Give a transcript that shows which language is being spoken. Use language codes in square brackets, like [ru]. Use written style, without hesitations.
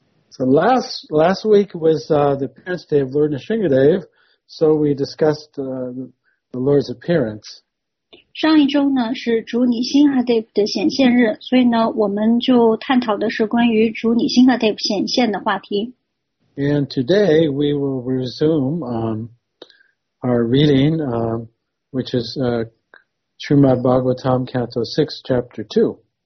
[en] So last week was the appearance day of Lord Nrisimhadev, so we discussed the Lord's appearance. [zh] 上一周呢是主尼辛哈德的显现日，所以呢我们就探讨的是关于主尼辛哈德显现的话题。 [en] And today we will resume our reading, which is Srimad Bhagavatam, Canto 6, Chapter 2.